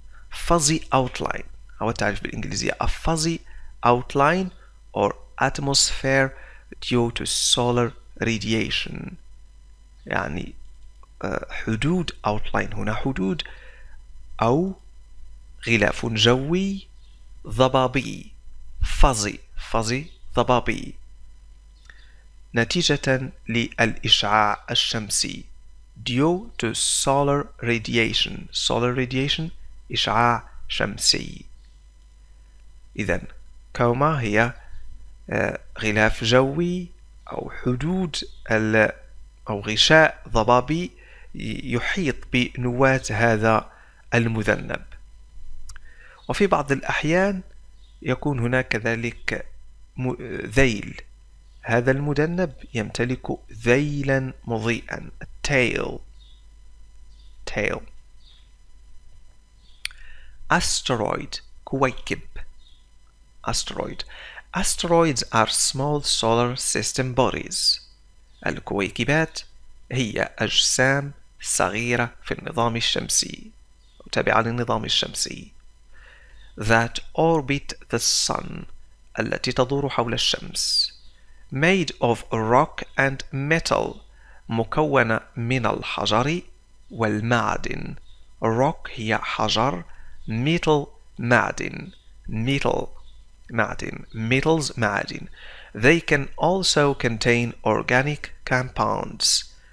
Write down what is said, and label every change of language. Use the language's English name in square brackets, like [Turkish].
[English] Fuzzy outline [Arabic] هو التعريف بالإنجليزية. [English] A fuzzy outline or atmosphere due to solar radiation [Arabic] يعني حدود. Outline هنا حدود أو غلاف جوي ضبابي. Fuzzy ضبابي نتيجة للإشعاع الشمسي. [English] Due to solar radiation. Solar radiation [Arabic] إشعاع شمسي. إذن كوما هي غلاف جوي أو حدود أو غشاء ضبابي يحيط بنواة هذا المذنب. وفي بعض الأحيان يكون هناك كذلك ذيل. هذا المذنب يمتلك ذيلا مضيئا tail. Asteroid كويكب. [English] Asteroids are small solar system bodies. [Arabic] الكويكبات هي أجسام صغيرة في النظام الشمسي تابعة للنظام الشمسي. [English] That orbit the sun [Arabic] التي تدور حول الشمس. [English] Made of rock and metal [Arabic] مكونة من الحجر والمعدن. Rock هي حجر. Metal معدن. Metals معدن. [English] They can also contain organic compounds.